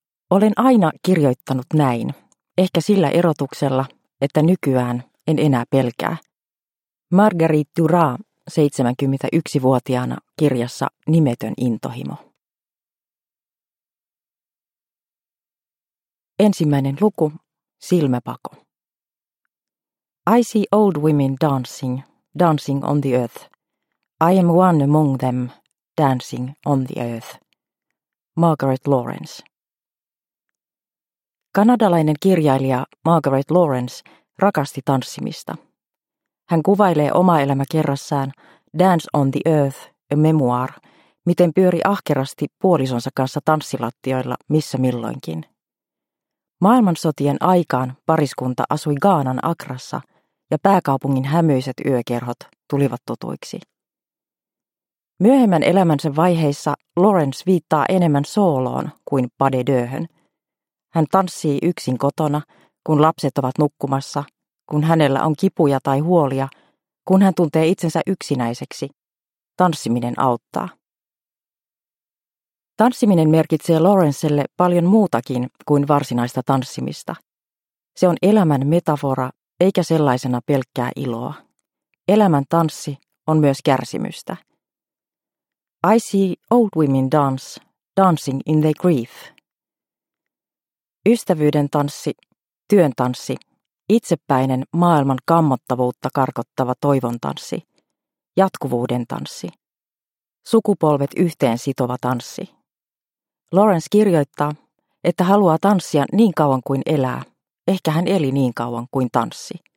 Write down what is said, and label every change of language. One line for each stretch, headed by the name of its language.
Finnish: Olen aina kirjoittanut näin, ehkä sillä erotuksella, että nykyään en enää pelkää. Marguerite Duras 71-vuotiaana kirjassa Nimetön intohimo. Ensimmäinen luku, silmäpako.
English: I see old women dancing, dancing on the earth. I am one among them, dancing on the earth.
Finnish: Margaret Lawrence. Kanadalainen kirjailija Margaret Lawrence rakasti tanssimista. Hän kuvailee oma elämä kerrassaan Dance on the Earth, a memoir, miten pyöri ahkerasti puolisonsa kanssa tanssilattioilla missä milloinkin. Maailmansotien aikaan pariskunta asui Gaanan Akrassa ja pääkaupungin hämyiset yökerhot tulivat tutuiksi. Myöhemmän elämänsä vaiheissa Lawrence viittaa enemmän sooloon kuin pas de deux'hön. Hän tanssii yksin kotona, kun lapset ovat nukkumassa, kun hänellä on kipuja tai huolia, kun hän tuntee itsensä yksinäiseksi. Tanssiminen auttaa. Tanssiminen merkitsee Lawrencelle paljon muutakin kuin varsinaista tanssimista. Se on elämän metafora, eikä sellaisena pelkkää iloa. Elämän tanssi on myös kärsimystä.
English: I see old women dance, dancing in their grief.
Finnish: Ystävyyden tanssi, työn tanssi, itsepäinen maailman kammottavuutta karkottava toivon tanssi, jatkuvuuden tanssi, sukupolvet yhteen sitova tanssi. Lawrence kirjoittaa, että haluaa tanssia niin kauan kuin elää, ehkä hän eli niin kauan kuin tanssi.